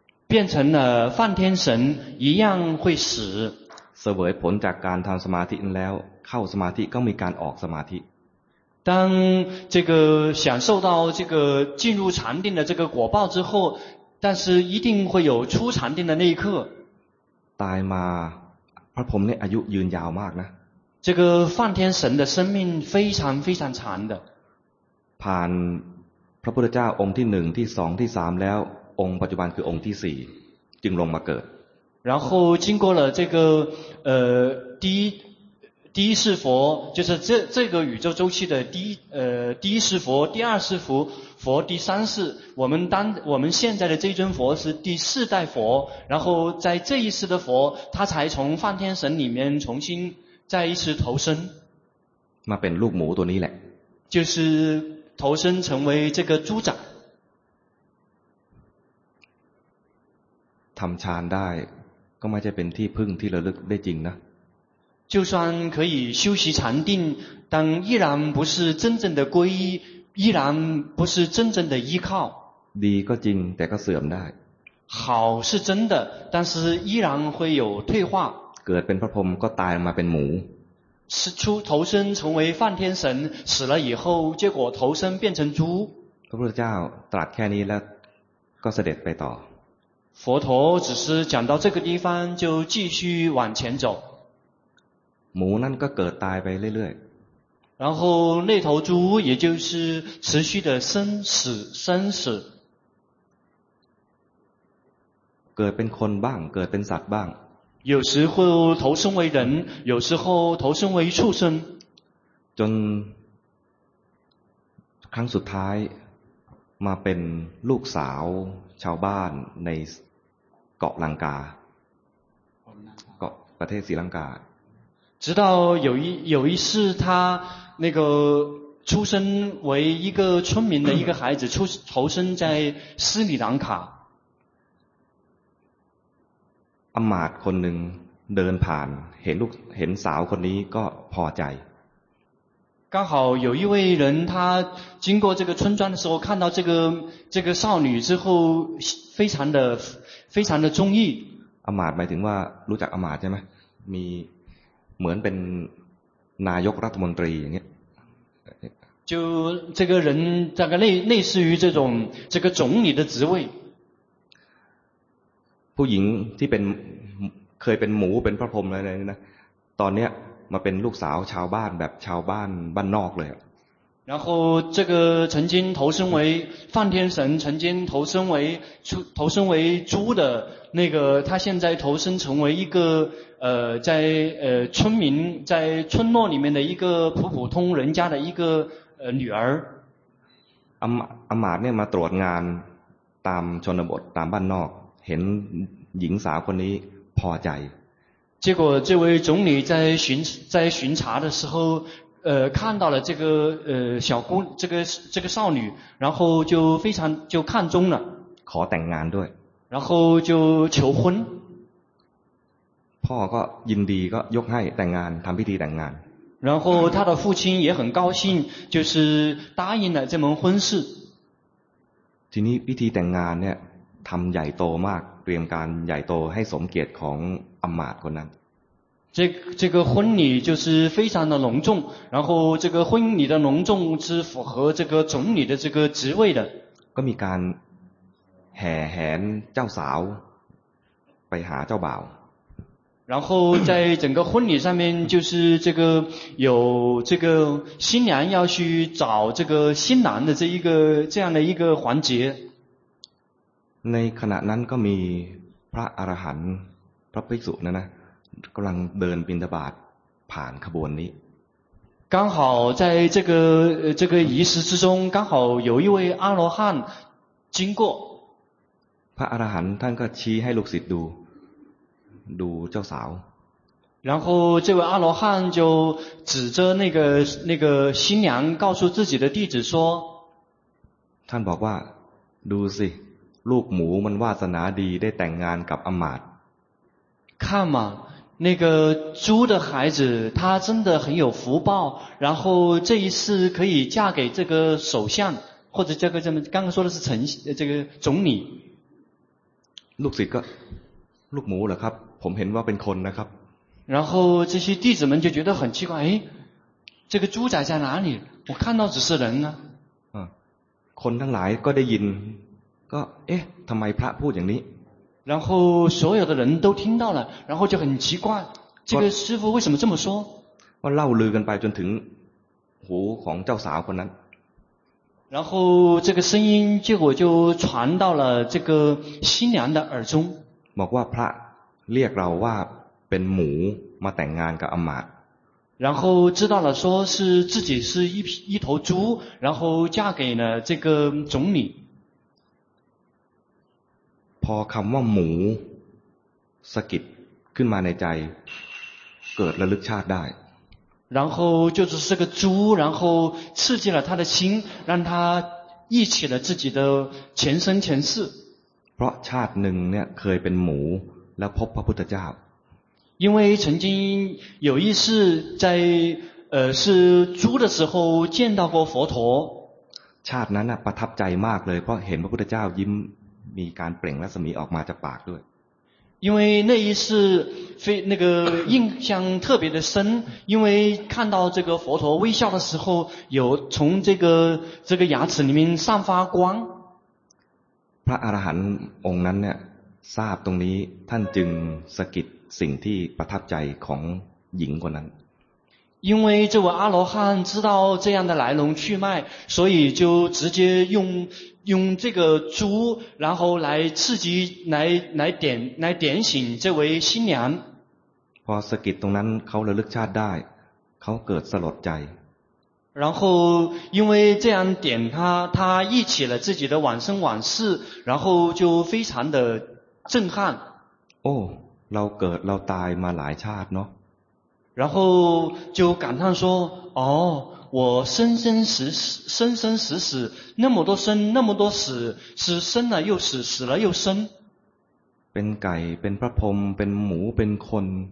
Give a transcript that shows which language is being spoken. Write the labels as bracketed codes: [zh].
[zh] 变成了梵天神一样会死 [th] เสวยผลจากการทำสมาธิแล้วเข้าสมาธิก็มีการออกสมาธิ [zh] 当这个享受到这个进入禅定的这个果报之后但是一定会有出禅定的那一刻 [th] ตายมาพระพรหมเนี่ยอายุยืนยาวมากนะ [zh] 这个梵天神的生命非常非常长的 [th] ผ่านพระพุทธเจ้าองค์ที่1ที่2ที่3แล้วองค์ปัจจุบันคือองค์ที่4จึงลงมาเกิด [zh] 然后经过了这个第一世佛就是这个宇宙周期的第一世佛第二世佛佛第三世我们现在的这一尊佛是第四代佛然后在这一世的佛他才从梵天神里面重新再一次投身 [th] มาเป็นลูกหมูตัวนี้แหละ [zh] 就是投身成为这个猪仔 [th] ทำฌานได้ก็ไม่ใช่เป็นที่พึ่งที่ระลึกได้จริงนะ [zh] 就算可以修习禅定但依然不是真正的皈依依然不是真正的依靠 [th] ดีก็จริงแต่ก็เสื่อมได้ [zh] 好是真的但是依然会有退化 [th] เกิดเป็นพระพรหมก็ตายมาเป็นหมู [zh] 是出投身成为梵天神死了以后结果投身变成猪 [th] พระพุทธเจ้าตรัสแค่นี้แล้วก็เสด็จไปต่อ [zh] 佛陀只是讲到这个地方就继续往前走 [th] หมูนั่นก็เกิดตายไปเรื่อย [zh] ๆ然后那头猪也就是持续的生死生死 [th] เกิดเป็นคนบ้างเกิดเป็นสัตว์บ้าง [zh] 有时候投身为人有时候投身为畜生 [th] จนครั้งสุดท้ายมาเป็นลูกสาวชาวบ้านในเกาะลังกาเกาะประเทศศรีลังกา [zh] 直到有一次他那个出生为一个村民的一个孩子出投身在斯里兰卡 [th] อำมาตย์คนหนึ่งเดินผ่านเห็นลูกเห็นสาวคนนี้ก็พอใจ [zh] 刚好有一位人他经过这个村庄的时候看到这个少女之后非常的中意 [th] อำมาตย์หมายถึงว่ารู้จักอำมาตย์ใช่ไหมมีเหมือนเป็นนายกรัฐมนตรีอย่างเงี้ [zh] ย就这个人大概类似于这个总理的职位 [th] ผู้หญิงที่เป็นเคยเป็นหมูเป็นพระพรหมอะไรนะตอนเนี้ยมาเป็นลูกสาวชาวบ้านแบบชาวบ้านบ้านนอกเลย [zh] 然后这个曾经投身为梵天神曾经投身为猪的那个他现在投身成为一个在村民在村落里面的一个普普通人家的一个女儿 [th] อำมาตย์เนี่ยมาตรวจงานตามชนบทตามบ้านนอกเห็นหญิงสาวคนนี้พอใจ [zh] 结果这位总理在巡查的时候看到了这个少女然后就非常就看中了 [th] ขอแต่งงานด้วย [zh] 然后就求婚 [th] พ่อก็ยินดีก็ยกให้แต่งงานทำพิธีแต่งงาน [zh] 然后他的父亲也很高兴就是答应了这门婚事 [th] ทีนี้พิธีแต่งงานเนี่ยทำใหญ่โตมากเตรียมการใหญ่โตให้สมเกียรติของอำมาตย์คนนั้น [zh] 这个婚礼就是非常的隆重然后这个婚礼的隆重是符合这个总理的这个职位的 [th] ก็มีการแห่แหนเจ้าสาวไปหาเจ้าบ่าว [zh] 然后在整个婚礼上面就是这个有这个新娘要去找这个新郎的这样的一个环节 [th] ในขณะนั้นก็มีพระอรหันต์พระภิกษุนะกำลังเดินบิณฑบาตผ่านขบวนนี้ [zh] 刚好在这个仪式之中刚好有一位阿罗汉经过 [th] พระอรหันต์ท่านก็ชี้ให้ลูกศิษย์ดูเจ้าสาว [zh] 然后这位阿罗汉就指着那个新娘告诉自己的弟子说 [th] ท่านบอกว่าดูสิลูกหมูมันวาสนาดีได้แต่งงานกับอำมาตย์ [zh] 看嘛那个猪的孩子他真的很有福报然后这一次可以嫁给这个首相或者这么刚刚说的是丞这个总理 [th] ลูกศิษย์ก็ลูกหมูเหรอครับผมเห็นว่าเป็นคนนะครับ [zh] 然后这些弟子们就觉得很奇怪这个猪仔在哪里我看到只是人呢 [th] คนทั้งหลายก็ได้ยินก็ทำไมพระพูดอย่างนี้ [zh] 然后所有的人都听到了然后就很奇怪这个师父为什么这么说 [th] ว่าเล่าลือกันไปจนถึงหูของเจ้าสาวคนนั้น [zh] 然后这个声音结果就传到了这个新娘的耳中 [th] บอกว่าพระเรียกเราว่าเป็นหมูมาแต่งงานกับอำมาตย์ [zh] 然后知道了说是自己是一头猪然后嫁给了这个总理 [th] พอคำว่าหมูสะกิดขึ้นมาในใจเกิดระลึกชาติได้ [zh] 然后就是这个猪然后刺激了他的心让他忆起了自己的前生前世 [th] พราะชาติหนึ่งเนี่ยเคยเป็นหมูแล้วพบพระพุทธเจ้า [zh] 因为曾经有一次在是猪的时候见到过佛陀 [th] ชาตินั้นประทับใจมากเลยเพราะเห็นพระพุทธเจ้ายิ้มมีการเปล่งรัศมีออกมาจากปากด้วย [zh] 因为那一次非那个印象特别的深因为看到这个佛陀微笑的时候有从这个牙齿里面散发光 [th] พระอรหันต์องค์นั้นเนี่ยทราบตรงนี้ท่านจึงสะกิดสิ่งที่ประทับใจของหญิงคนนั้น [zh] 因为这位阿罗汉知道这样的来龙去脉所以就直接用这个珠然后来刺激来点醒这位新娘 [th] พอสะกิดตรงนั้นเขาระลึกชาติได้เขาเกิดสลดใจ [zh] 然后因为这样点他忆起了自己的往生往事然后就非常的震撼 [th] 哦เราเกิดเราตายมาหลายชาติเนาะ [zh] 然后就感叹说哦我生生死死那么多生那么多死是生了又死死了又生 [th] เป็นไก่เป็นพระพรหมเป็นหมูเป็นคน